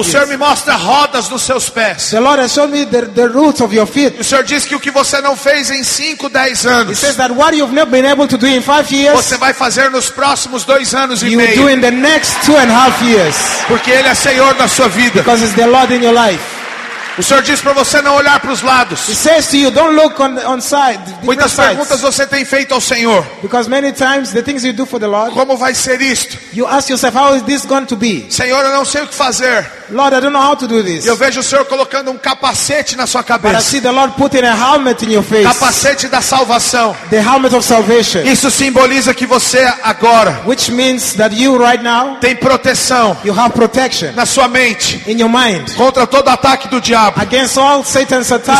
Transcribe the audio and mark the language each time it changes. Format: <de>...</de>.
<pt>O Senhor me mostra rodas nos seus pés.</pt> <en>The Lord has shown me the roots of your feet.</en> <pt>O Senhor diz que o que você não fez em 5, 10 anos.</pt> <en>He says that what you've never been able to do in 5 years.</en> <pt>Você vai fazer nos próximos 2 anos e meio.</pt> <en>You will do in the next 2 and a half years.</en> <pt>Porque ele é Senhor da sua vida.</pt> <en>Because he's the Lord in your life.</en> <pt>O Senhor diz para você não olhar para os lados.</pt> <en>He says to you, don't look on side.</en> <pt>Muitas perguntas você tem feito ao Senhor.</pt> <en>Because many times the things you do for the Lord.</en> <pt>Como vai ser isto?</pt> <en>You ask yourself, how is this going to be?</en> <pt>Senhor, eu não sei o que fazer.</pt> <en>Lord, I don't know how to do this.</en> <pt>Eu vejo o Senhor colocando um capacete na sua cabeça.</pt> <en>But I see the Lord putting a helmet in your face.</en> <pt>Capacete da salvação.</pt> <en>The helmet of salvation.</en> <pt>Isso simboliza que você agora.</pt> <en>Which means that you right now.</en> <pt>Tem proteção.</pt> <en>You have protection.</en> <pt>Na sua mente.</pt> <en>In your mind.</en> <pt>Contra todo ataque do diabo. diabo.</pt> <en>Against all Satan's attacks.</en>